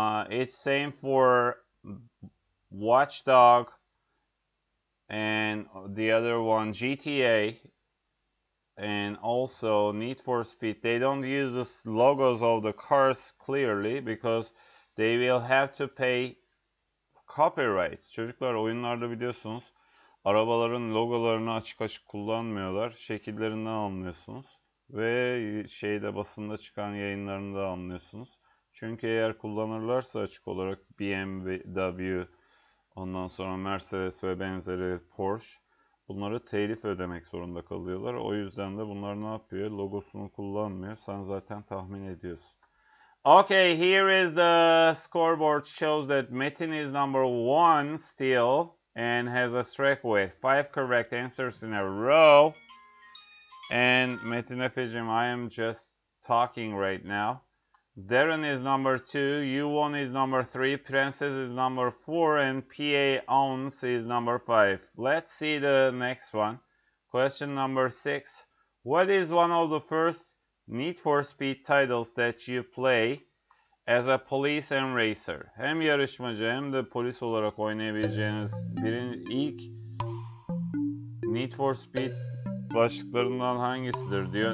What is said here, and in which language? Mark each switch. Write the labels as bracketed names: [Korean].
[English] It's same for Watchdog and the other one, GTA. And also Need for Speed, they don't use the logos of the cars clearly because they will have to pay copyrights. [Turkish] Çocuklar oyunlarda biliyorsunuz arabaların logolarını açık açık kullanmıyorlar. Şekillerinden anlıyorsunuz ve şeyde basında çıkan yayınlarında anlıyorsunuz. Çünkü eğer kullanırlarsa açık olarak BMW, ondan sonra Mercedes ve benzeri Porsche, bunları telif ödemek zorunda kalıyorlar. O yüzden de bunlar ne yapıyor? Logosunu kullanmıyor. Sen zaten tahmin ediyorsun. [English] Okay, here is the scoreboard shows that Metin is number one still and has a streak with 5 correct answers in a row. And Metin Efe'cim, I am just talking right now. Darren is number two. Yuvon is number three. Princess is number four. And PA Owns is number five. Let's see the next one. Question number six. What is one of the first Need for Speed titles that you play as a police and racer? [Turkish] Hem yarışmacı hem de polis olarak oynayabileceğiniz ilk Need for Speed başlıklarından hangisidir diyor.